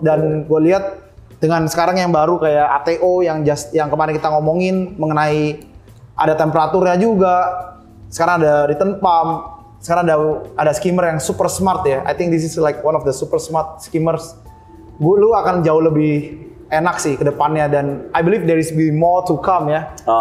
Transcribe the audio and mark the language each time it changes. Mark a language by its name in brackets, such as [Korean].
[Indonesian] Dan gue lihat dengan sekarang yang baru kayak ATO yang kemarin kita ngomongin mengenai ada temperaturnya juga. Sekarang ada return pump. Sekarang ada skimmer yang super smart ya. [English] I think this is like one of the super smart skimmers. [Indonesian] Lu akan jauh lebih enak sih ke depannya, dan [English] I believe there is be more to come [Indonesian] ya.